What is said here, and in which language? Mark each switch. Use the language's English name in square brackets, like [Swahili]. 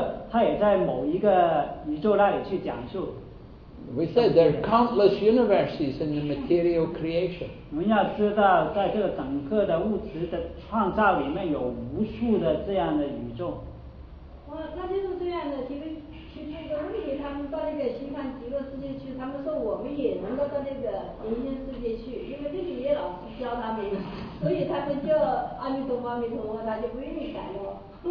[Chinese] 其实呢，Krishna是在不同的宇宙里面都会讲述Bhagavad Gita，好像现在这一刻，他也在某一个宇宙那里去讲述。 [English] We said there are countless universes in the material creation. [Chinese] 我们要知道，在这个整个的物质的创造里面，有无数的这样的宇宙。哇，那就是这样的。其实这个问题，他们到那个西方极乐世界去，他们说我们也能够到那个人间世界去，因为这里也老师教他们，所以他们就阿弥陀佛，阿弥陀佛，他就不愿意改了。